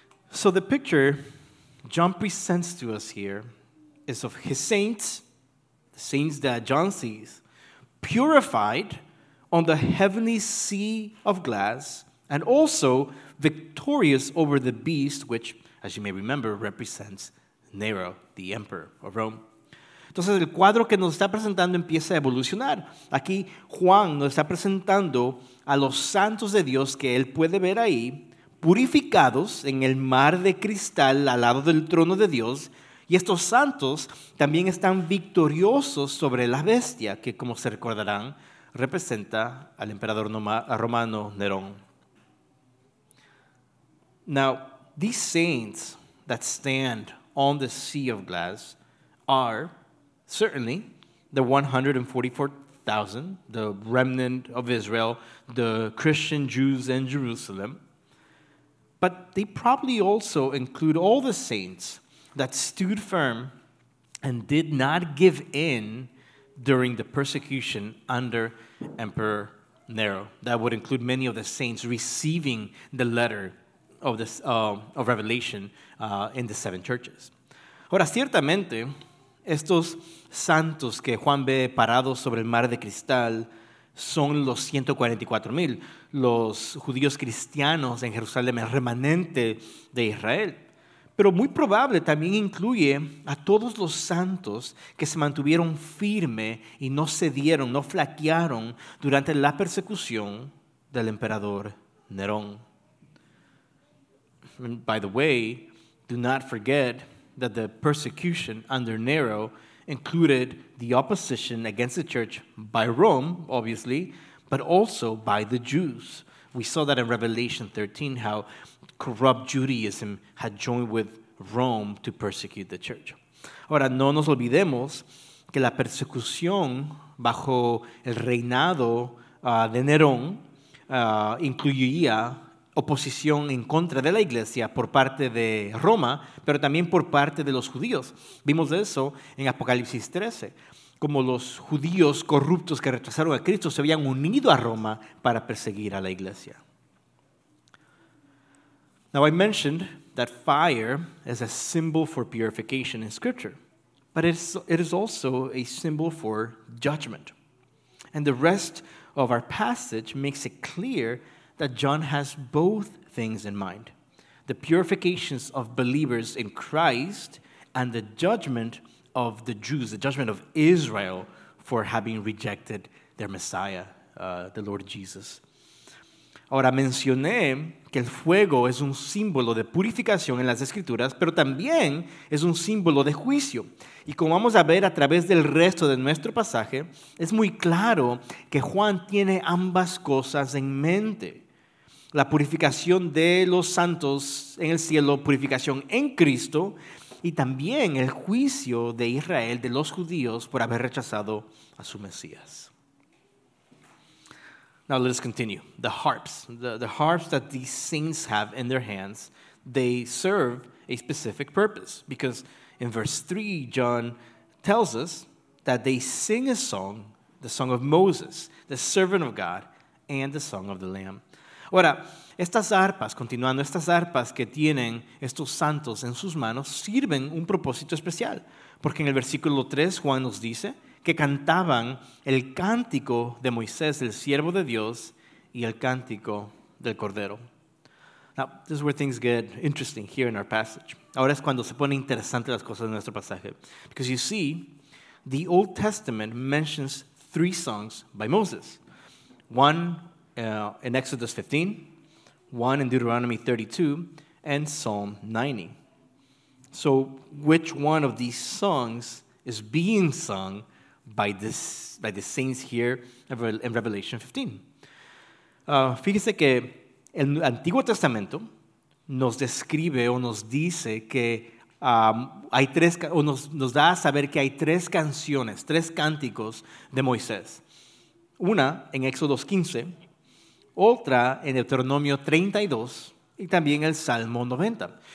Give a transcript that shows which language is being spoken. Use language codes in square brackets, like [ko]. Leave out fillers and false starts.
[en] So the picture John presents to us here is of his saints, the saints that John sees, purified on the heavenly sea of glass and also victorious over the beast, which, as you may remember, represents Nero, the emperor of Rome. [es] Entonces, el cuadro que nos está presentando empieza a evolucionar. Aquí, Juan nos está presentando a los santos de Dios que él puede ver ahí, purificados en el mar de cristal al lado del trono de Dios. Y estos santos también están victoriosos sobre la bestia, que como se recordarán, representa al emperador romano Nerón. [en] Now, these saints that stand on the sea of glass are certainly the 144,000, the remnant of Israel, the Christian Jews in Jerusalem, but they probably also include all the saints that stood firm and did not give in during the persecution under Emperor Nero. That would include many of the saints receiving the letter of this of Revelation in the seven churches. [es] Ahora, ciertamente, estos santos que Juan ve parados sobre el mar de cristal son los 144,000, los judíos cristianos en Jerusalén, el remanente de Israel. Pero muy probable también incluye a todos los santos que se mantuvieron firme y no cedieron, no flaquearon durante la persecución del emperador Nerón. [en] And by the way, do not forget that the persecution under Nero included the opposition against the church by Rome, obviously, but also by the Jews. We saw that in Revelation 13, how corrupt Judaism had joined with Rome to persecute the church. [es] Ahora, no nos olvidemos que la persecución bajo el reinado de Nerón incluía oposición en contra de la iglesia por parte de Roma, pero también por parte de los judíos. Vimos eso en Apocalipsis 13, como los judíos corruptos que rechazaron a Cristo se habían unido a Roma para perseguir a la iglesia. [en] Now I mentioned that fire is a symbol for purification in Scripture, but it is also a symbol for judgment. And the rest of our passage makes it clear that John has both things in mind, the purifications of believers in Christ and the judgment of the Jews, the judgment of Israel for having rejected their Messiah, the Lord Jesus. [es] Ahora mencioné que el fuego es un símbolo de purificación en las Escrituras, pero también es un símbolo de juicio. Y como vamos a ver a través del resto de nuestro pasaje, es muy claro que Juan tiene ambas cosas en mente. La purificación de los santos en el cielo, purificación en Cristo, y también el juicio de Israel, de los judíos, por haber rechazado a su Mesías. [en] Now let us continue. The harps, the harps that these saints have in their hands, they serve a specific purpose. Because in verse 3, John tells us that they sing a song, the song of Moses, the servant of God, and the song of the Lamb. [es] Ahora, estas arpas, continuando, estas arpas que tienen estos santos en sus manos sirven un propósito especial. Porque en el versículo 3, Juan nos dice que cantaban el cántico de Moisés, el siervo de Dios, y el cántico del Cordero. [en] Now, this is where things get interesting here in our passage. [es] Ahora es cuando se ponen interesantes las cosas en nuestro pasaje. [en] Because you see, the Old Testament mentions three songs by Moses. One in Exodus 15, one in Deuteronomy 32, and Psalm 90. So, which one of these songs is being sung by the saints here in Revelation 15. [es] Fíjese que el Antiguo Testamento nos describe o nos dice que hay tres, o nos da a saber que hay tres canciones, tres cánticos de Moisés. Una en Éxodo 15, otra en Deuteronomio 32 y también el Salmo 90.